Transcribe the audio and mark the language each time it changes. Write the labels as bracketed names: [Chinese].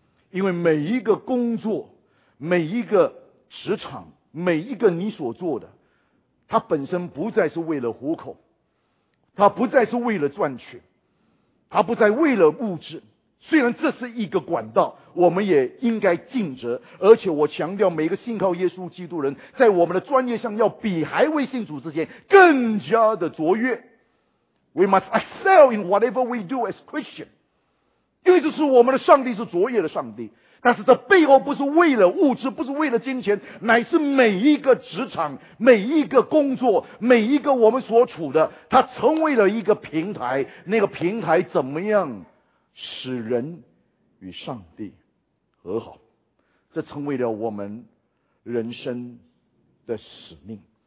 [Chinese] 因为每一个工作，每一个职场，每一个你所做的，它本身不再是为了糊口，它不再是为了赚取，它不再为了物质。虽然这是一个管道，我们也应该尽责。而且我强调，每个信靠耶稣基督人在我们的专业上要比还未信主之前更加的卓越。 [English] We must excel in whatever we do as Christian. [Chinese] 因为这是我们的上帝，是卓越的上帝。但是这背后不是为了物质，不是为了金钱，乃是每一个职场，每一个工作，每一个我们所处的，它成为了一个平台。那个平台怎么样使人与上帝和好，这成为了我们人生的使命。